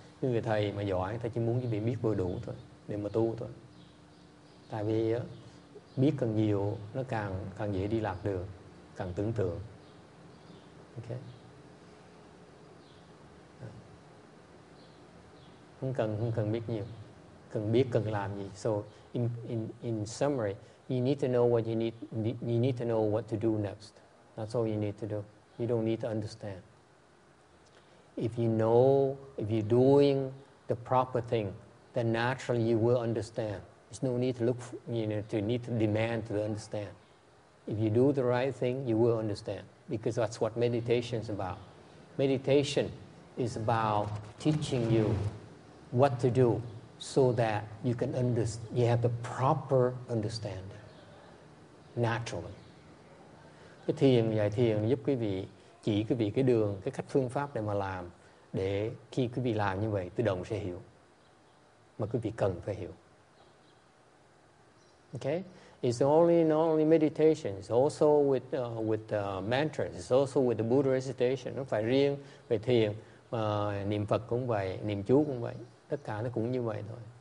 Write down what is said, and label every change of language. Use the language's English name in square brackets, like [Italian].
[Vietnamese] Cái người thầy mà giỏi, người ta chỉ muốn quý vị biết vừa đủ thôi để mà tu thôi. Tại vì biết càng nhiều nó càng dễ đi lạc đường, càng tưởng tượng. Okay. Không cần biết nhiều, cần biết cần làm gì. [English] So in summary, you need to know what you need. You need to know what to do next. That's all you need to do. You don't need to understand. If you know, if you're doing the proper thing, then naturally you will understand. There's no need to look for, to need to demand to understand. If you do the right thing, you will understand, because that's what meditation is about. Meditation is about teaching you what to do so that you can understand, you have the proper understanding naturally. [Vietnamese] Cái thiền, giải thiền giúp quý vị chỉ quý vị cái đường, cái cách phương pháp để mà làm, để khi quý vị làm như vậy tự động sẽ hiểu mà quý vị cần phải hiểu. [English] Okay, it's only not only meditation, it's also with mantras, it's also with the Buddha recitation. [Vietnamese] Nó phải riêng về thiền, mà niệm Phật cũng vậy, niệm chú cũng vậy, tất cả nó cũng như vậy thôi.